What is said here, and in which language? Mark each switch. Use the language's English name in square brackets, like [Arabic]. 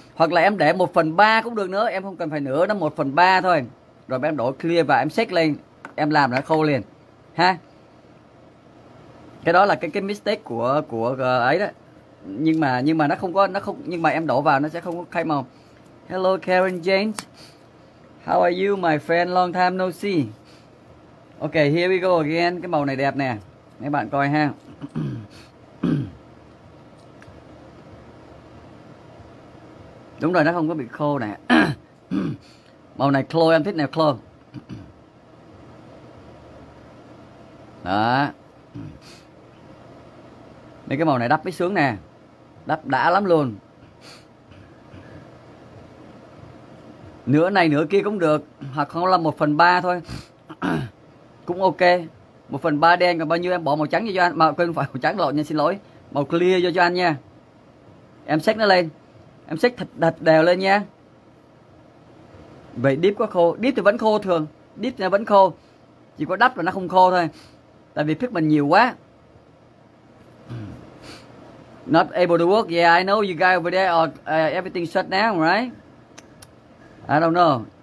[Vietnamese] Hoặc là em để 1/3 cũng được nữa, em không cần phải nữa, nó 1/3 thôi, rồi em đổ clear và em xét lên em làm nó khô liền ha. Cái đó là cái mistake của ấy đó. Nhưng mà nó không, nhưng mà em đổ vào nó sẽ không có khai màu. [English] Hello Karen James, how are you my friend, long time no see. Ok, here we go again. [Vietnamese] Cái màu này đẹp nè, mấy bạn coi ha. Đúng rồi, nó không có bị khô nè. Màu này khô, em thích nè, khô. Đó. Mấy cái màu này đắp mới sướng nè, đắp đã lắm luôn. Nửa này nửa kia cũng được, hoặc không là 1/3 thôi. Cũng ok. 1/3 đen còn bao nhiêu em bỏ màu trắng vô cho anh. Mà quên, phải màu trắng lộn nha, xin lỗi. Màu clear vô cho anh nha. Em xách nó lên, em xách thật đều lên nha. Vậy deep có khô? Deep thì vẫn khô thường, deep thì vẫn khô. Chỉ có đắp là nó không khô thôi, tại vì pigment nhiều quá. [English] Not able to work. Yeah, I know you guys over there are everything shut down, right? I don't know.